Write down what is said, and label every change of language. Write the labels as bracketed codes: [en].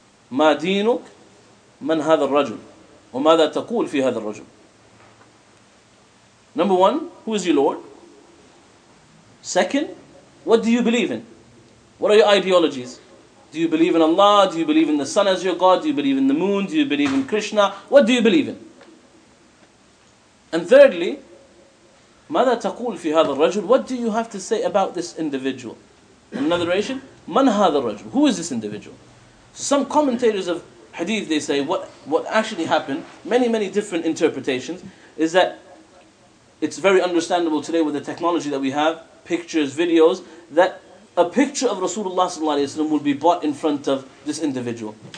[ar] Ma deenuk? Man hadha ar-rajul? Wa madha taqul fi hadha ar-rajul? [en] Number one, who is your Lord? Second, what do you believe in? What are your ideologies? Do you believe in Allah? Do you believe in the sun as your God? Do you believe in the moon? Do you believe in Krishna? What do you believe in? And thirdly, [ar] ماذا تقول في هذا الرجل? [en] What do you have to say about this individual? In another narration, [ar] من هذا الرجل? [en] Who is this individual? Some commentators of hadith, they say, what actually happened, many, many different interpretations, is that it's very understandable today with the technology that we have, pictures, videos, that a picture of Rasulullah sallallahu alayhi wa sallam will be brought in front of this individual.